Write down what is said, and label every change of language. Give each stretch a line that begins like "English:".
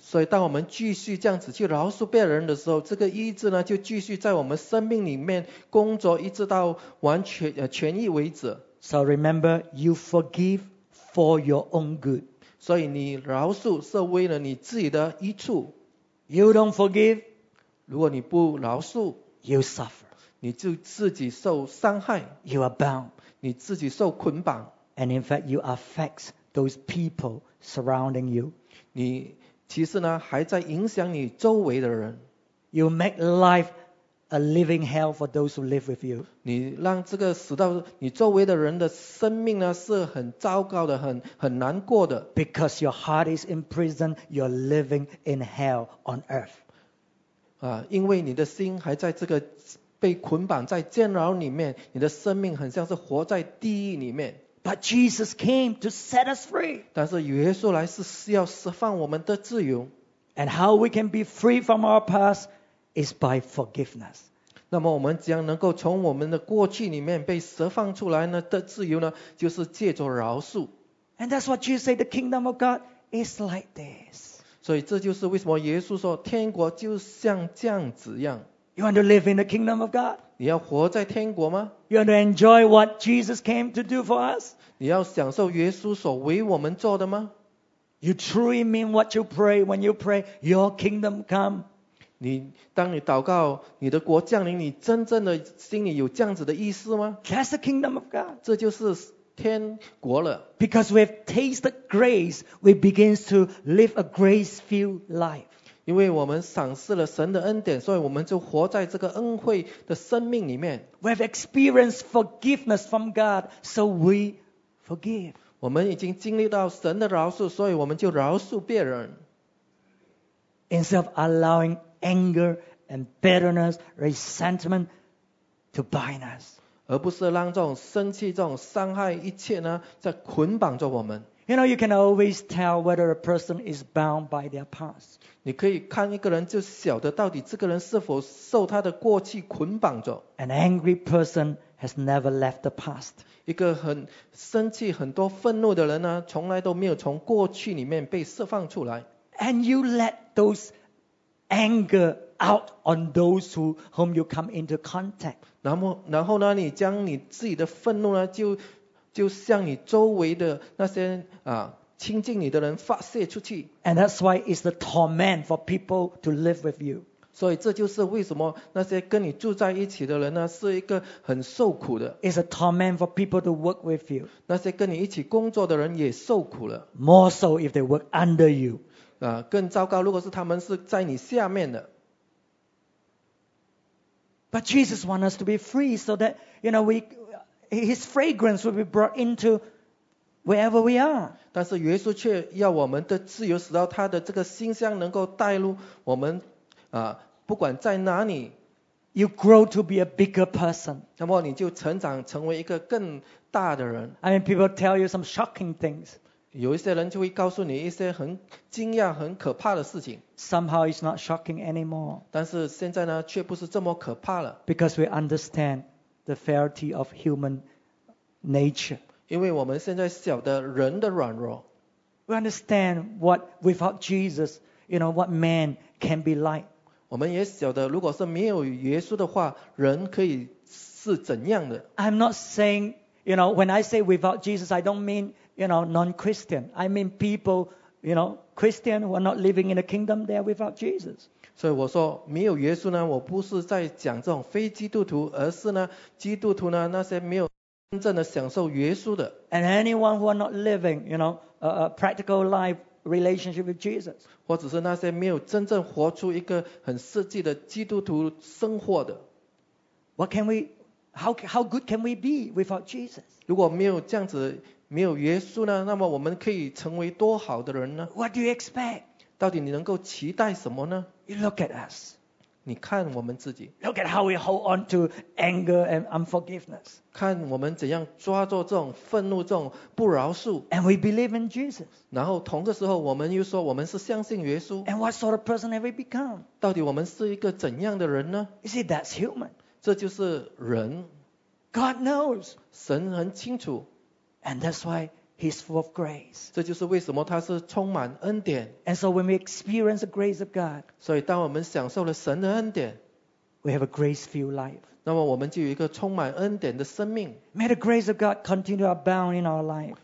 Chinese: 所以当我们继续这样子去饶恕别人的时候，这个医治呢就继续在我们生命里面工作，一直到完全痊愈为止。
English: So remember, you forgive for your own good.
Chinese: 所以你饶恕是为了你自己的益处。
English: You don't forgive,
Chinese: 如果你不饶恕，
English: you suffer,
Chinese: 你就自己受伤害。
English: You are bound,
Chinese: 你自己受捆绑。
English: And in fact, you affect those people surrounding you.
Chinese: 你其实呢还在影响你周围的人。
English: You make life a living hell for those who live with you.
Chinese: 你让这个死到你周围的人的生命呢是很糟糕的，很难过的。
English: Because your heart is in prison, you're living in hell on earth.
Chinese: 因为你的心还在这个被捆绑在监牢里面，你的生命很像是活在地狱里面。
English: But Jesus came to set us free.
Chinese: 但是耶稣来是要释放我们的自由。
English: And how we can be free from our past? Is by forgiveness.
Chinese: 那么我们将能够从我们的过去里面被释放出来呢的自由呢，就是借着饶恕。
English: And that's what Jesus said, the kingdom of God is like this.
Chinese: 所以这就是为什么耶稣说天国就像这样子样。
English: You want to live in the kingdom of God?
Chinese: 你要活在天国吗？
English: You want to enjoy what Jesus came to do for us?
Chinese: 你要享受耶稣所为我们做的吗？
English: You truly mean what you pray when you pray, your kingdom come.
Chinese: 你当你祷告你的国降临，你真正的心里有这样子的意思吗？
English: That's the kingdom of God.
Chinese: 这就是天国了。
English: Because we have tasted grace, we begin to live a grace-filled life.
Chinese: 因为我们赏识了神的恩典，所以我们就活在这个恩惠的生命里面。
English: We have experienced forgiveness from God, so we forgive.
Chinese: 我们已经经历到神的饶恕，所以我们就饶恕别人。
English: Instead of allowinganger and bitterness, resentment to bind us.
Chinese: 而不是让这种生气、这种伤害一切呢，在捆绑着我们。
English: You know, you can always tell whether a person is bound by their past.
Chinese: 你可以看一个人就晓得到底这个人是否受他的过去捆绑着。
English: An angry person has never left the past.
Chinese: 一个很生气、很多愤怒的人呢，从来都没有从过去里面被释放出来。
English: And you let those anger out on those who whom you come into contact.
Chinese: 然后呢，你将你自己的愤怒呢，就就向你周围的那些啊亲近你的人发泄出去。
English: And that's why it's the torment for people to live with you.
Chinese: 所以这就是为什么那些跟你住在一起的人呢，是一个很受苦的。
English: It's a torment for people to work with you.
Chinese: 那些跟你一起工作的人也受苦了。
English: More so if they work under you.
Chinese: 啊，更糟糕，如果是他们是在你下面的。
English: But Jesus wants us to be free so that, you know, his fragrance will be brought into wherever we are.
Chinese: 但是耶稣却要我们的自由使到他的这个馨香能够带入我们啊，不管在哪里。
English: You grow to be a bigger person.
Chinese: 那么你就成长成为一个更大的人。
English: I mean, people tell you some shocking things.
Chinese: 有一些人就会告诉你一些很惊讶很可怕的事情。
English: Somehow it's not shocking anymore.
Chinese: 但是现在呢却不是这么可怕了。
English: Because we understand the frailty of human nature.
Chinese: 因为我们现在晓得人的软弱。
English: We understand what without Jesus, you know, what man can be like.
Chinese: 我们也晓得如果是没有耶稣的话人可以是怎样的。
English: I'm not saying, you know, when I say without Jesus, I don't mean, you know, non-Christian. I mean people, you know, Christian who are not living in a kingdom there without Jesus.
Chinese: 所以我说没有耶稣呢我不是在讲这种非基督徒而是呢基督徒呢那些没有真正的享受耶稣的。
English: And anyone who are not living, you know, a practical life relationship with Jesus.
Chinese: 或者是那些没有真正活出一个很实际的基督徒生活的。
English: What can we, how good can we be without Jesus?
Chinese: 如果没有这样子没有耶稣呢那么我们可以成为多好的人呢
English: ?What do you expect?
Chinese: 到底你能够期待什么呢
English: ?You look at us.
Chinese: 你看我们自己。
English: Look at how we hold on to anger and unforgiveness.
Chinese: 看我们怎样抓住这种愤怒这种不饶恕。
English: And we believe in Jesus.
Chinese: 然后同个时候我们又说我们是相信耶稣。
English: And what sort of person have we become?
Chinese: 到底我们是一个怎样的人呢
English: ?You see, that's human.
Chinese: 这就是人。
English: God knows.
Chinese: 神很清楚。
English: And that's why he's full of grace.
Chinese: 这就是为什么他是充满恩典。
English: And so when we experience the grace of God,
Chinese: 所以当我们享受了神的恩典,
English: we have a grace-filled life.
Chinese: 那么我们就有一个充满恩典的生命。
English: May the grace of God continue to abound in our life.